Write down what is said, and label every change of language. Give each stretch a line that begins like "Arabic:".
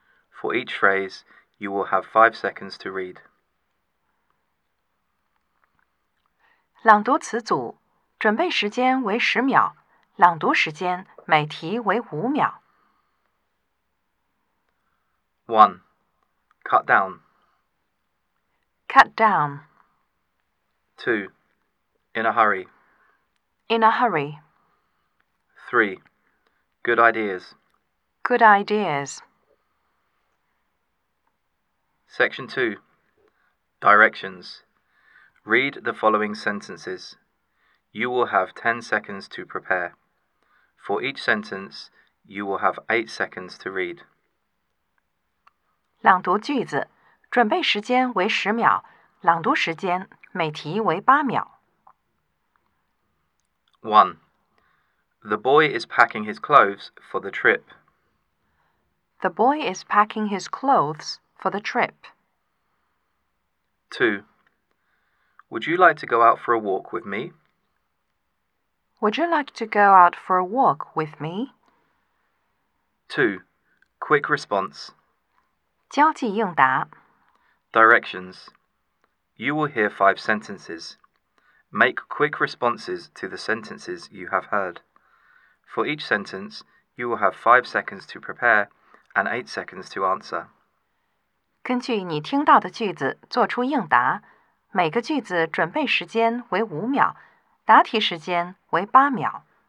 English: For each phrase, you will have 5 seconds to read.
Chinese: 朗读词组，准备时间为10秒，朗读时间每题为5秒。
English: 1. Cut down. Cut down. 2. In a hurry. In a hurry. 3. Good ideas. Good ideas. Section 2. Directions. Read the following sentences. You will have 10 seconds to prepare. For each sentence, you will have 8 seconds to read.
Chinese: 朗读句子，准备时间为10秒，朗读时间每题为8秒。
English: 1. The boy is packing his clothes for the trip. The boy is packing his clothes for the trip. 2. Would you like to go out for a walk with me? Would you like to go out for a walk with me? 2. Quick response.
Chinese: 交际应答
English: Directions. You will hear 5 sentences. Make quick responses to the sentences you have heard. For each sentence, you will have 5 seconds to prepare and 8 seconds to answer.
Chinese: 根据你听到的句子做出应答，每个句子准备时间为5秒，答题时间为8秒。